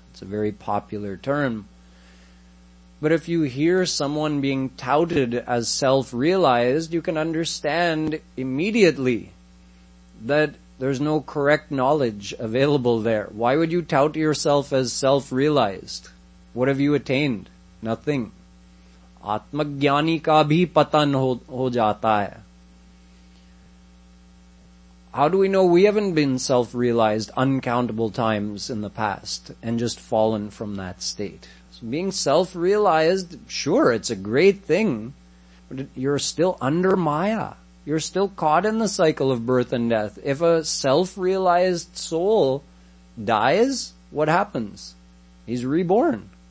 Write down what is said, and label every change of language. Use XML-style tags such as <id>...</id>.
<en>It's a very popular term. But if you hear someone being touted as self-realized, you can understand immediately that there's no correct knowledge available there. Why would you tout yourself as self-realized? What have you attained? Nothing.</en> <hi>आत्मज्ञानी का भी पतन हो जाता है.</hi> <en>How do we know we haven't been self-realized uncountable times in the past and just fallen from that state? So being self-realized, sure, it's a great thing, but you're still under Maya. You're still caught in the cycle of birth and death. If a self-realized soul dies, what happens? He's reborn.</en>